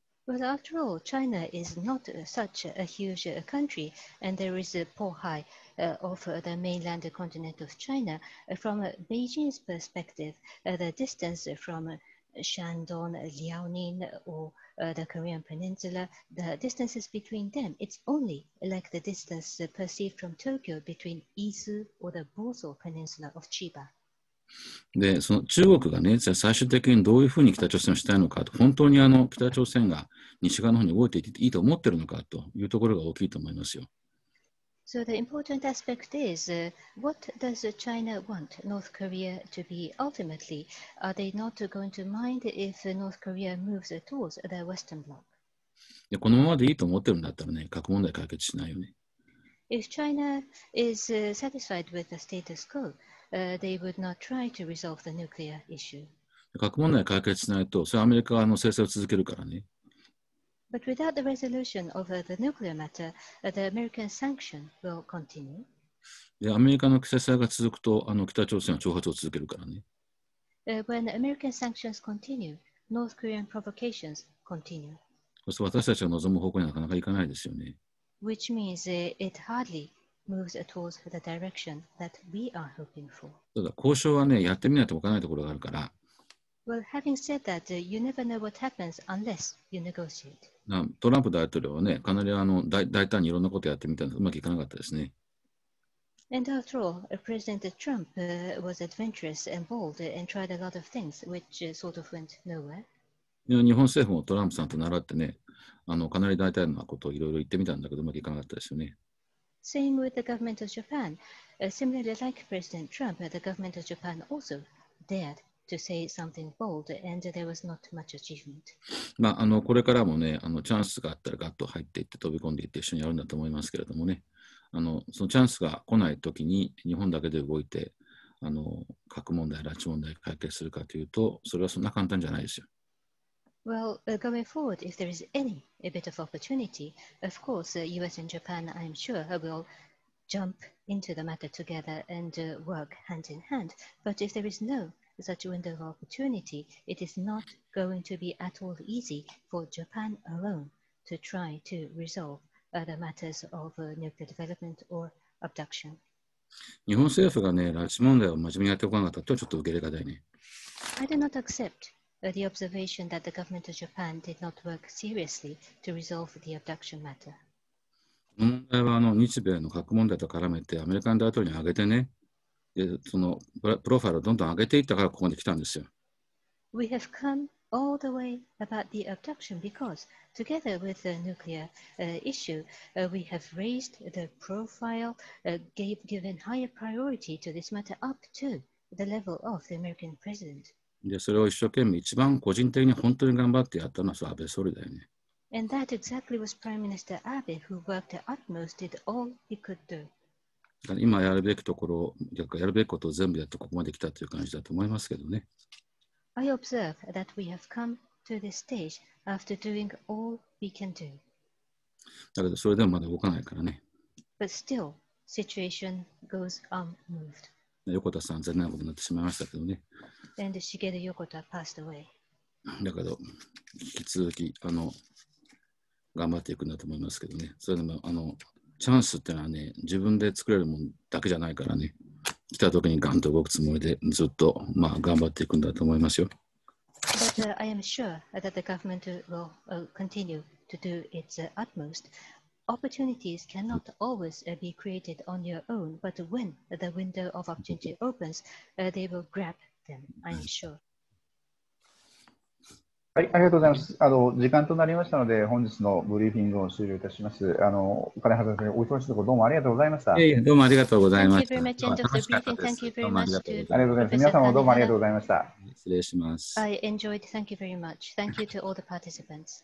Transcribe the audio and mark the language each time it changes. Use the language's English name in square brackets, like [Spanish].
[English] Well, after all, China is not such a huge country, and there is a Pohai of the mainland continent of China. From Beijing's perspective, the distance from Shandong, Liaoning, or the Korean Peninsula, the distances between them, it's only like the distance perceived from Tokyo between Izu or the Bozo Peninsula of Chiba. [Japanese] でその中国がね、じゃあ最終的にどういうふうに北朝鮮をしたいのかと、本当にあの北朝鮮が西側の方に動いていいと思ってるのかというところが大きいと思いますよ。 [English] So the important aspect is, what does China want North Korea to be ultimately? Are they not going to mind if North Korea moves towards the Western bloc? [Japanese] でこのままでいいと思ってるんだったらね、核問題解決しないよね。 [English] If China is satisfied with the status quo,they would not try to resolve the nuclear issue. [Japanese] 核問題解決しないと、それはアメリカの制裁を続けるからね。 [English] But without the resolution of the nuclear matter, the American sanction will continue. [Japanese] で、アメリカの制裁が続くと、あの北朝鮮は挑発を続けるからね。 [English] When American sanctions continue, North Korean provocations continue. [Japanese] そして私たちが望む方向になかなかいかないですよね。 [English] Which means it hardly... moves towards the direction that we are hoping for. [Japanese] そうだ、交渉はね、やってみないと分からないところがあるから。 [English] Well, having said that, you never know what happens unless you negotiate. [Japanese] な、トランプ大統領はね、かなりあの 大胆にいろんなことやってみたのでうまくいかなかったですね。 [English] And after all, President Trump was adventurous and bold and tried a lot of things, which sort of went nowhere. [Japanese] 日本政府もトランプさんと習ってね、あのかなり大胆なことをいろいろ言ってみたんだけどうまくいかなかったですよね。 [English] Same with the government of Japan. Similarly, like President Trump, the government of Japan also dared to say something bold, and there was not much achievement. [Japanese] まあ、あのこれからもね、あのチャンスがあったらガッと入っていって飛び込んでいって一緒にやるんだと思いますけれどもね、あのそのチャンスが来ないときに日本だけで動いてあの核問題、拉致問題解決するかというと、それはそんな簡単じゃないですよ。 [English] Well, going forward, if there is any a bit of opportunity, of course, US and Japan, I'm sure, will jump into the matter together and work hand in hand. But if there is no such window of opportunity, it is not going to be at all easy for Japan alone to try to resolve the matters of nuclear development or abduction. [Japanese] 日本政府がね、拉致問題を真面目にやっておかなかったとちょっと受け入れがたいね。 [English] I do not accept. The observation that the government of Japan did not work seriously to resolve the abduction matter. [Japanese] この問題はあの日米の核問題と絡めてアメリカの大統領に上げてね、でそのプロファイルをどんどん上げていったからここまで来たんですよ。 [English] We have come all the way about the abduction because, together with the nuclear issue, we have raised the profile, given higher priority to this matter up to the level of the American president. [Japanese] でそれを一生懸命一番個人的に本当に頑張ってやったのはそれ安倍総理だよね。 [English] And that exactly was Prime Minister Abe who worked the utmost, did all he could do. [Japanese] 今やるべきところ、逆やるべきことを全部やってここまで来たという感じだと思いますけどね。 [English] I observe that we have come to this stage after doing all we can do. [Japanese] だけどそれでもまだ動かないからね。 [English] But still, situation goes unmoved. [Japanese] 横田さん残念なことになってしまいましたけどね。 [English] And Shigeru Yokota passed away. [Japanese] だけど引き続きあの頑張っていくんだと思いますけどね。それでもあのチャンスってのはね自分で作れるものだけじゃないからね。来た時にガンと動くつもりでずっとまあ頑張っていくんだと思いますよ。 [English] But I am sure that the government will continue to do its utmost. Opportunities cannot always be created on your own, but when the window of opportunity opens, they will grab them, I'm sure. [Japanese] はい、ありがとうございます。あの、時間となりましたので、本日のブリーフィングを終了いたします。あの、お金原先生、お忙しいところどうもありがとうございました。どうもありがとうございました。 [English] Thank you very much, and Dr. Briefing, thank you very much. [Japanese] ありがとうございます。皆さんもどうもありがとうございました。失礼します。 [English] I enjoyed, thank you very much. Thank you to all the participants.